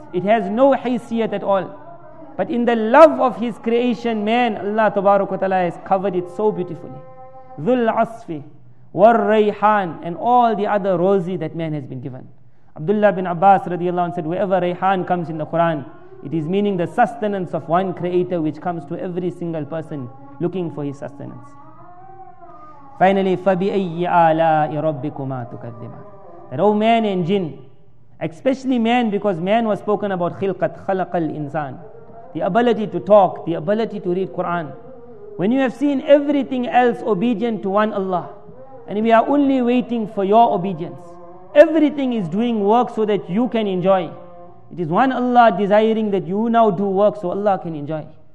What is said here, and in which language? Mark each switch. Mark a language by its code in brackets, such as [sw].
[en] It has no haysiyat at all. But in the love of his creation, man, Allah Tabarak wa Ta'ala has covered it so beautifully. [ar] Dhul Asfi. وَالْرَيْحَان. [en] And all the other rosy that man has been given. Abdullah bin Abbas radiallahu anhu said, wherever Rayhan comes in the Quran, it is meaning the sustenance of one creator which comes to every single person looking for his sustenance. [ar] Finally, فَبِأَيِّ آلَاءِ رَبِّكُمَا تُكَذِّبًا. [en] That oh man and jinn, especially man, because man was spoken about khilqat, [ar] خَلَقَ الْإِنسَان. [en] The ability to talk, the ability to read Quran. When you have seen everything else obedient to one Allah, and we are only waiting for your obedience. Everything is doing work so that you can enjoy. It is one Allah desiring that you now do work so Allah can enjoy.